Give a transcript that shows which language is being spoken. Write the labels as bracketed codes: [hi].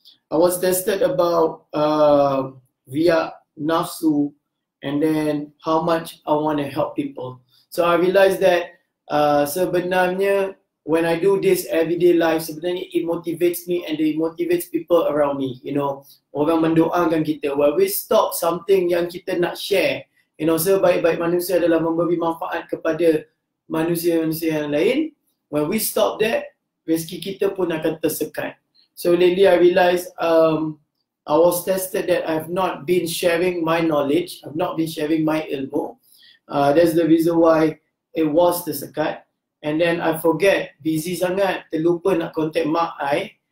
[en] I was tested about via nafsu, and then how much I want to help people. So I realized that [ms] sebenarnya [en] when I do this everyday life, sebenarnya it motivates me and it motivates people around me. You know, [ms] orang mendoakan kita. [en] When we stop something [ms] yang kita nak share, you know, sebaik-baik manusia adalah memberi manfaat kepada manusia-manusia yang lain. [en] When we stop that, [ms] rezeki kita pun akan tersekat. [en] So lately I realized I was tested that I have not been sharing my knowledge, I've not been sharing my ilmu. That's the reason why it was tersekat. And then I forget, [ms] busy sangat, terlupa nak contact mak I.